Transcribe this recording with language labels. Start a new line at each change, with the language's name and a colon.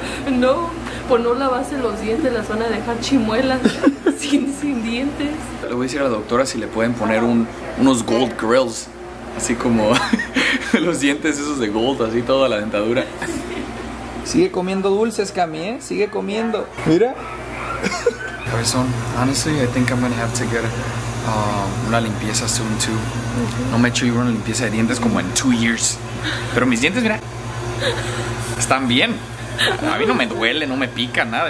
Spanish: No, por no lavarse los dientes las van a dejar chimuelas sin dientes. Le voy a decir a la doctora si le pueden poner unos gold grills. Así como los dientes esos de gold, así toda la dentadura. Sigue comiendo dulces, Cami, ¿eh? Sigue comiendo. Mira.
English: Cabezón, honestly, I think I'm gonna have to get
Spanish: una limpieza
English: soon, too.
Spanish: No me he hecho una limpieza de dientes como en
English: 2 years.
Spanish: Pero mis dientes, mira, están bien. A mí no me duele, no me pica, nada.